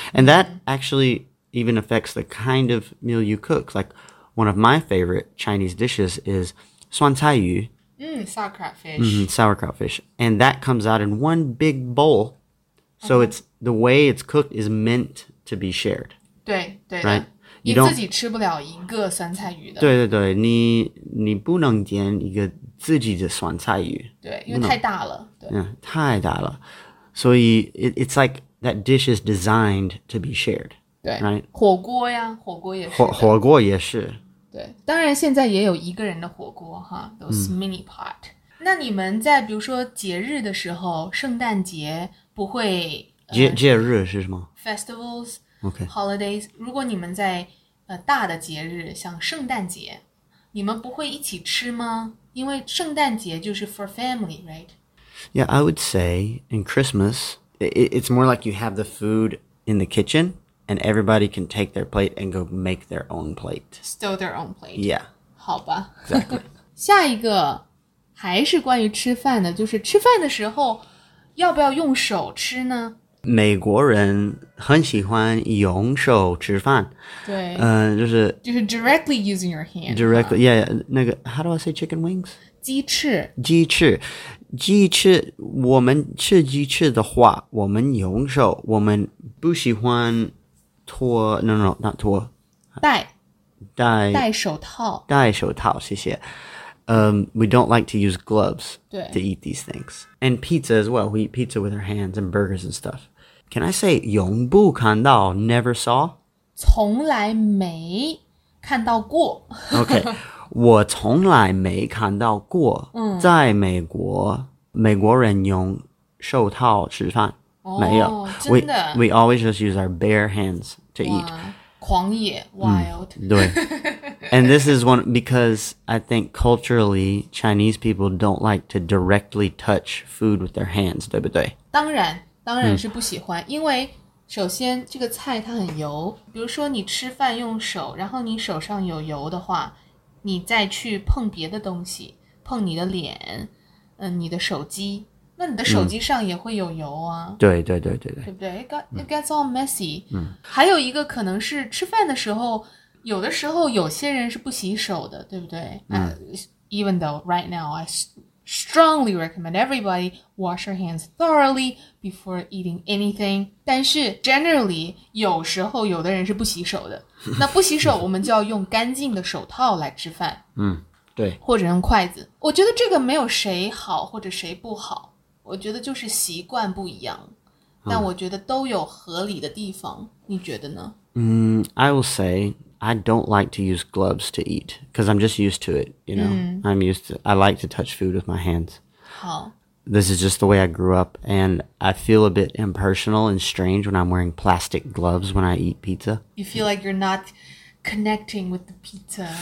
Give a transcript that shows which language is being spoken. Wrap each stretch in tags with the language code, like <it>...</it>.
<en>And that actually even affects the kind of meal you cook. Like, one of my favorite Chinese dishes is 酸菜鱼. Sauerkraut fish. Mm-hmm, sauerkraut fish. And that comes out in one big bowl. So it's, the way it's cooked is meant to be shared.</en> <zh>对, 对的。</zh> <en>Right?</en> <zh>你自己吃不了一个酸菜鱼的。对对对，你不能点一个自己的酸菜鱼。对，因为太大了。对，太大了。所以</zh> <en>it's like that dish is designed to be shared.</en> <zh>对、</zh> <en>right?</en> <zh>火锅呀，火锅也是。对，当然现在也有一个人的火锅哈 ，</zh> <en>those mini pot。</en> <zh>那你们在比如说节日的时候，圣诞节不会？节日是什么</zh> <en>？Festivals。 Okay.</en> <zh>Holidays, 如果你们在大的节日像圣诞节你们不会一起吃吗因为圣诞节就是</zh> <en>for family, right? Yeah, I would say in Christmas, it's more like you have the food in the kitchen and everybody can take their plate and go make their own plate. Still their own plate. Yeah.</en> <zh>好吧。</zh> <en>Exactly.</en> <zh>下一个还是关于吃饭的就是吃饭的时候要不要用手吃呢美国人很喜欢用手吃饭。对。就是</zh> <en>directly using your hand. Directly,、yeah, yeah,</en> <zh>那个</zh> <en>how do I say chicken wings?</en> <zh>鸡翅。鸡翅。鸡翅我们吃鸡翅的话我们用手我们不喜欢脱</zh> <en>no, not</en> <zh>脱。戴手套。戴手套谢谢。</zh> <en>We don't like to use gloves to eat these things. And pizza as well. We eat pizza with our hands and burgers and stuff. Can I say,</en> <zh>永不看到,</zh> <en>never saw?</en> <zh>从来没看到过。 Okay. 我从来没看到过。在美国,美国人用手套吃饭。没有。真的。</zh> <en>We always just use our bare hands to eat.</en> <zh>狂野,</zh> <en>wild.</en> <zh>对。</zh> <en>And this is one, because I think culturally, Chinese people don't like to directly touch food with their hands,</en> <zh>对不对？当然是不喜欢，因为首先这个菜它很油，比如说你吃饭用手，然后你手上有油的话，你再去碰别的东西，碰你的脸，你的手机，那你的手机上也会有油啊。对对对对对。对不对？</zh> <en>It gets all messy.</en> <zh>还有一个可能是吃饭的时候有的时候有些人是不洗手的对不对、</zh> <en>Even though right now I strongly recommend everybody wash your hands thoroughly before eating anything.</en> <zh>但是</zh> <en>generally</en> <zh>有时候有的人是不洗手的。那不洗手我们就要用干净的手套来吃饭。对。或者用筷子。我觉得这个没有谁好或者谁不好。我觉得就是习惯不一样。但我觉得都有合理的地方，你觉得呢？</zh> <en>I will say I don't like to use gloves to eat because I'm just used to it, you know. I like to touch food with my hands.</en> <zh>好。</zh> <en>This is just the way I grew up, and I feel a bit impersonal and strange when I'm wearing plastic gloves when I eat pizza. You feel like you're not connecting with the pizza.</en>